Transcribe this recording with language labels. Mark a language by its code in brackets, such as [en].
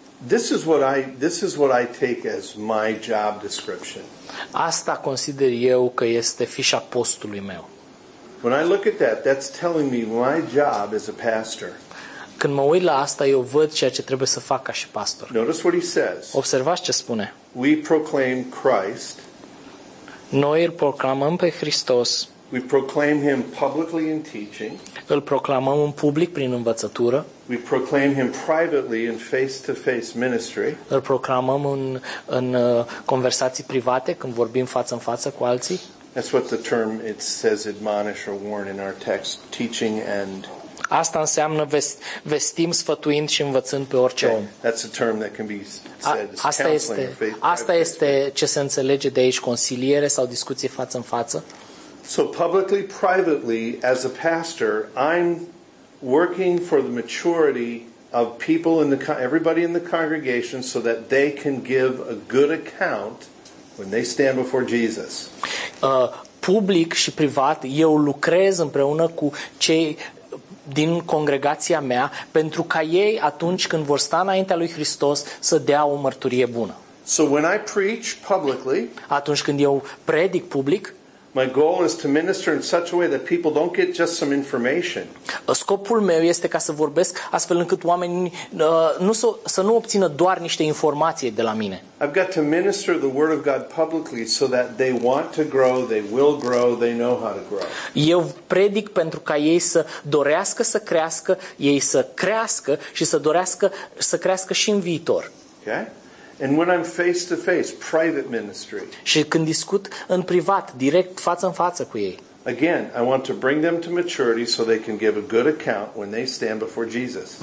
[en] This is what I take as my job description. [ro] Asta consider eu că este fișa postului meu. [en] When I look at that, that's telling me my job as a pastor. [ro] Când mă uit la asta, eu văd ceea ce trebuie să fac ca și pastor. [en] Notice what he says. [ro] Observați ce spune. [en] We proclaim Christ. [ro] Noi îl proclamăm pe Hristos. [en] We proclaim him publicly in teaching. [ro] Îl proclamăm în public prin învățătură. [en] We proclaim him privately in face-to-face ministry. [ro] Îl proclamăm în conversații private când vorbim față în față cu alții. [en] That's what the term it says admonish or warn in our text, teaching and. [ro] Asta înseamnă vestim, sfătuind și învățând pe orice om. [en] That's a term that can be said. [ro] Asta este ce se înțelege de aici, consiliere sau discuție față în față. [en] So publicly, privately, as a pastor, I'm working for the maturity of people in the everybody in the congregation so that they can give a good account when they stand before Jesus. [ro] Public și privat, eu lucrez împreună cu cei din congregația mea pentru ca ei, atunci când vor sta înaintea lui Hristos, să dea o mărturie bună. [en] So when I preach publicly, [ro] atunci când eu predic public, [en] my goal is to minister in such a way that people don't get just some information. [ro] Scopul meu este ca să vorbesc astfel încât oamenii să nu obțină doar niște informații de la mine. [en] I've got to minister the word of God publicly so that they want to grow, they will grow, they know how to grow. [ro] Eu predic pentru ca ei să dorească să crească, ei să crească și să dorească să crească și în viitor. [en] Okay? And when I'm face to face, private ministry. [ro] Și când discut în privat, direct față în față cu ei. [en] Again, I want to bring them to maturity so they can give a good account when they stand before Jesus.